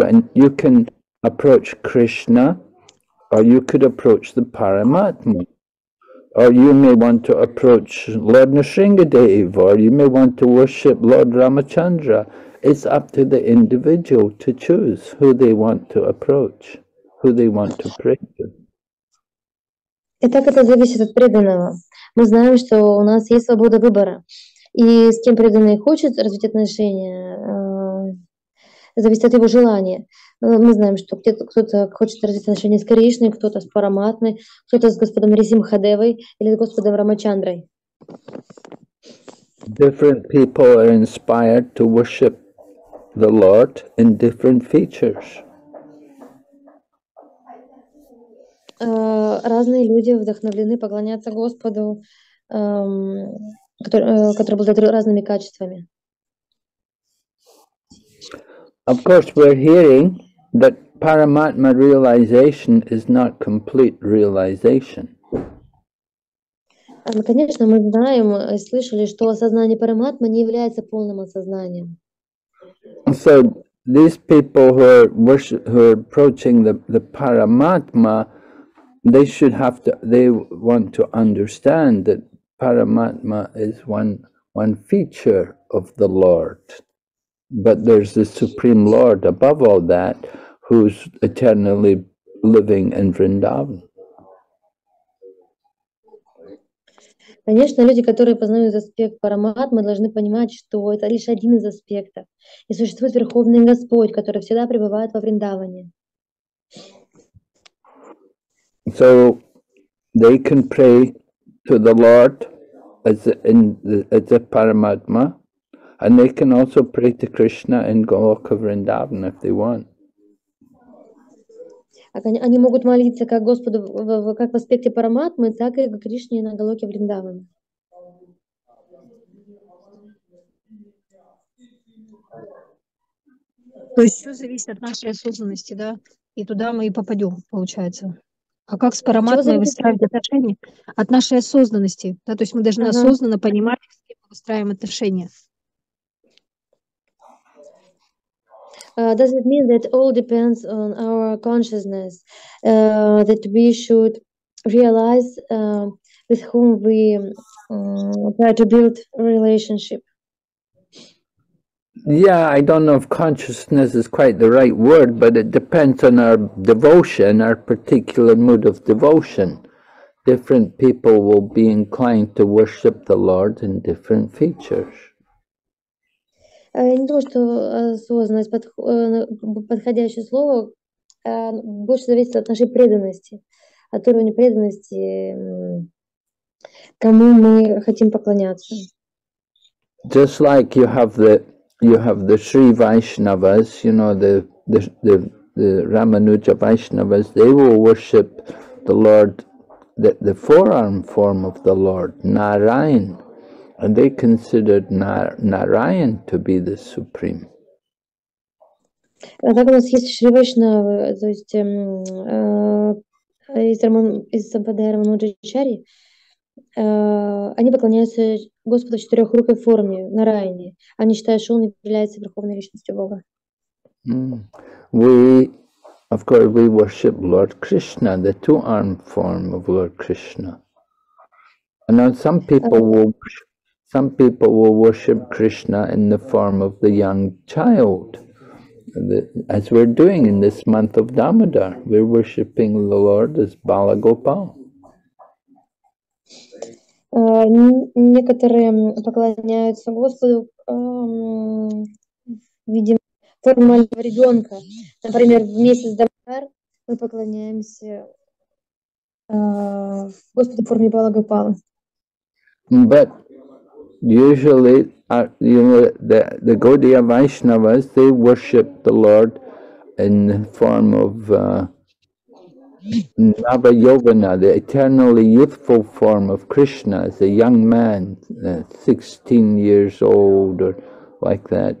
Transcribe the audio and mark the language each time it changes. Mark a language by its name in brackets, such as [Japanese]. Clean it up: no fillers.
[English] And you can approach Krishna, or you could approach the Paramatma, or you may want to approach Lord Nrsingadev, or you may want to worship Lord Ramachandra. It's up to the individual to choose who they want to approach, who they want to pray to. [Russian] Итак, это зависит от преданного. Мы знаем, что у нас есть свобода выбора. И с кем преданный хочет развить отношения, зависит от его желания. Мы знаем, что кто-то хочет развить отношения с Кришной, кто-то с Параматмой, кто-то с господом Нрсимхадевой или с господом Рамачандрой. [English] Different people are inspired to worship the Lord in different features. [Russian] Разные люди вдохновлены поклоняться Господу, который обладает разными качествами. [English] Of course, we're hearing that Paramatma realization is not complete realization. [Russian] Конечно, мы знаем и слышали, что осознание Параматмы не является полным осознанием. [English] So these people who are approaching the Paramatma, they want to understand that Paramatma is one feature of the Lord, but there's the Supreme Lord above all that, who's eternally living in Vrindavan. [Russian] Конечно, люди, которые познают аспект Параматмы, должны понимать, что это лишь один из аспектов. И существует Верховный Господь, который всегда пребывает во Вриндаване. [English] So they can pray to the Lord as a Paramatma, and they can also pray to Krishna in Goloka Vrindavan if they want. [Russian] Они могут молиться как Господу как в аспекте Параматмы, так и Кришне на Голоке Вриндаван. То есть все зависит от нашей осознанности, да? И туда мы и попадем, получается. А как с Параматмой выстраивать отношения? От нашей осознанности, да? То есть мы должны осознанно понимать, с кем мы выстраиваем отношения. [English] Does it mean that all depends on our consciousness, that we should realize with whom we try to build a relationship? Yeah, I don't know if consciousness is quite the right word, but it depends on our devotion, our particular mood of devotion. Different people will be inclined to worship the Lord in different features. [Russian] Не то, что осознанность, подходящее слово, больше зависит от нашей преданности, от уровня преданности, кому мы хотим поклоняться. [English] Just like you have the Sri Vaishnavas, you know, the Ramanuja Vaishnavas, they will worship the Lord, the forearm form of the Lord, Narayan. And they considered Narayan to be the supreme. [Russian] А так у нас есть Шри Вайшнавы, то есть из Сампрадая Рамануджачари. Они поклоняются Господу в четырехрукой форме, Нараяне. Они считают, что он является верховной личностью Бога. [English] We, of course, we worship Lord Krishna, the two-armed form of Lord Krishna. And now some people will worship Krishna in the form of the young child, as we're doing in this month of Damodar. We're worshipping the Lord as Bala Gopal. [Russian] Некоторые поклоняются Господу в виде формального ребенка. Например, в месяц Дамодар мы поклоняемся Господу в форме Бала Гопала. [English] But usually, you know, the Gaudiya Vaishnavas, they worship the Lord in the form of Navayovana, the eternally youthful form of Krishna, as a young man, 16 years old or like that.